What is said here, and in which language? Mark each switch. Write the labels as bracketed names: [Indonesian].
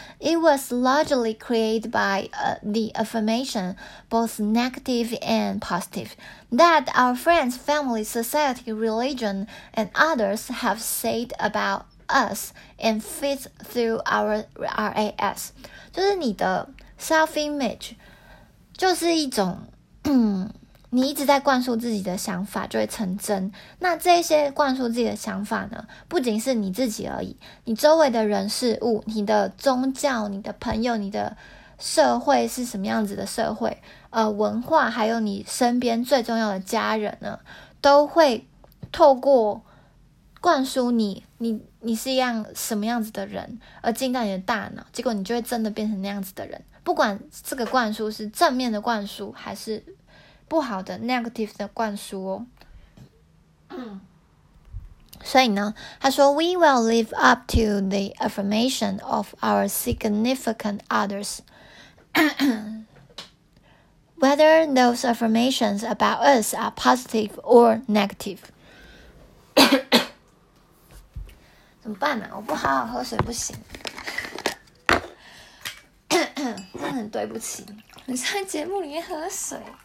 [English] It was largely created by the affirmation, both negative and positive, that our friends, family, society, religion, and others have said about us and fits through our RAS. [Chinese] 就是你的 self-image 就是一种你一直在灌输自己的想法就会成真，那这些灌输自己的想法呢，不仅是你自己而已，你周围的人事物，你的宗教，你的朋友，你的社会是什么样子的社会，文化，还有你身边最重要的家人呢，都会透过灌输你是一样什么样子的人而进到你的大脑，结果你就会真的变成那样子的人。不管这个灌输是正面的灌输还是不好的 negative 的灌输哦。所以呢，他说 [English] We will live up to the affirmation of our significant others. Whether those affirmations about us are positive or negative. [Chinese] 怎么办呢？我不好好喝水不行。真的很对不起，你在节目里面喝水。